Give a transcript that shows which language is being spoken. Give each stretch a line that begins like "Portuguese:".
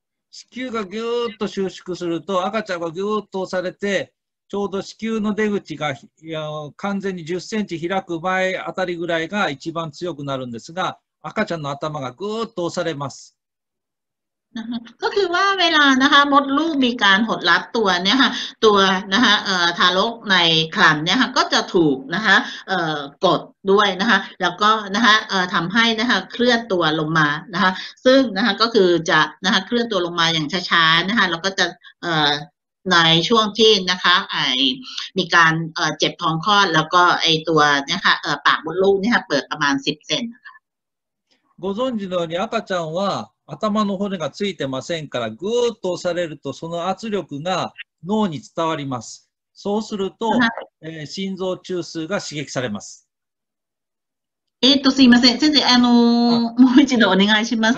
Japanese: 子宮がギューッと収縮すると赤ちゃんがギューッと押されてちょうど子宮の出口が完全に10センチ開く前あたりぐらいが一番強くなるんですが赤ちゃんの頭がグーッと押されます。
Thai: ก็คือว่าเวลานะคะมดลูกมีการหดลัดตัวเนี่ยค่ะตัวนะคะทารกในครรภ์เนี่ยค่ะก็จะถูกนะคะกดด้วยนะคะแล้วก็นะคะทำให้นะคะเคลื่อนตัวลงมานะคะซึ่งนะคะก็คือจะนะคะเคลื่อนตัวลงมาอย่างช้าๆนะคะแล้วก็จะในช่วงที่นะคะไอ้มีการเจ็บท้องคลอดแล้วก็ไอ้ตัวนะคะปากมดลูกเนี่ยค่ะเปิดประมาณ10เซนนะคะ
Japanese: ご存知のように赤ちゃんは頭の骨がついてませんからグーッと押されるとその圧力が脳に伝わります。そうすると、心臓中枢が刺激されます。すいません先生もう一度お願いします。